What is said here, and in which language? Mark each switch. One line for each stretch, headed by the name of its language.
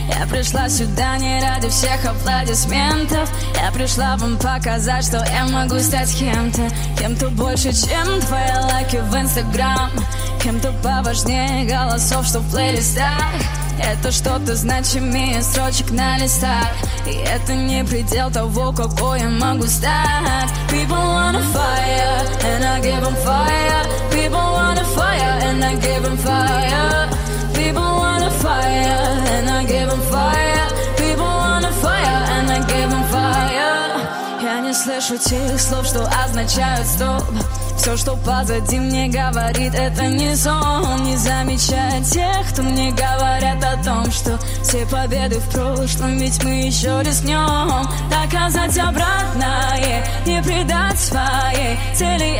Russian: Я пришла сюда не ради всех аплодисментов, я пришла вам показать, что я могу стать кем-то. Кем-то больше, чем твои лайки в Инстаграм, кем-то поважнее голосов, что в плейлистах. Это что-то значимее строчек на листах, и это не предел того, какой я могу стать.
English: People wanna fire, and I give them fire. People wanna fire, and I give them fire. People wanna fire, and I give them fire. People wanna fire, and I give them fire.
Russian: Я не слышу тех слов, что означают стоп. Все, что позади мне говорит, это не сон. Не замечая тех, кто мне говорят о том, что все победы в прошлом, ведь мы еще рискнем. Доказать обратное, не предать своей цели.